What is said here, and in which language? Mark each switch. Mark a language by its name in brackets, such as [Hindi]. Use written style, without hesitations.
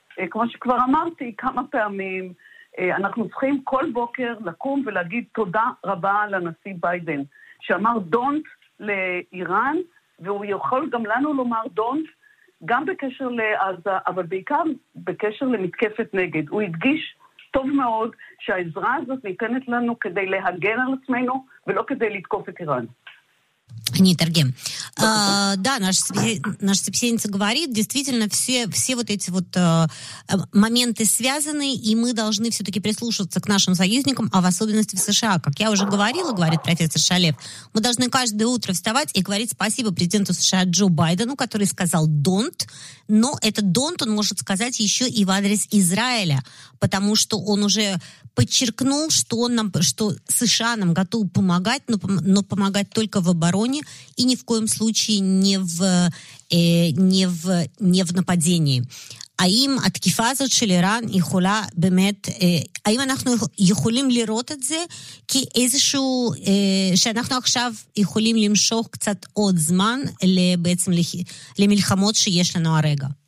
[Hebrew] כמו שכבר אמרתי כמה פעמים, אנחנו צריכים כל בוקר לקום ולהגיד תודה רבה לנשיא ביידן, שאמר דונט לאיראן, והוא יכול גם לנו לומר דונט, גם בקשר לעזה, אבל בעיקר בקשר למתקפת נגד. הוא הדגיש טוב מאוד שהעזרה הזאת ניתנת לנו כדי להגן על עצמנו ולא כדי לתקוף את איראן. Не торгем. [Russian] Да, наша собеседница говорит, действительно, все вот эти вот моменты связаны, и мы должны все-таки прислушиваться к нашим союзникам, а в особенности в США. Как я уже говорила, говорит профессор Шалев, мы должны каждое утро вставать и говорить спасибо президенту США Джо Байдену, который сказал «don't», но этот «don't» он может сказать еще и в адрес Израиля, потому что он уже подчеркнул, что он нам, что США нам готовы помогать, но помогать только в обороне и ни в коем случае не в нападении. [Hebrew] האם התקיפה הזאת של איראן יכולה באמת, האם אנחנו יכולים לראות את זה כאיזשהו, שאנחנו עכשיו יכולים למשוך קצת עוד זמן בעצם למלחמות שיש לנו הרגע?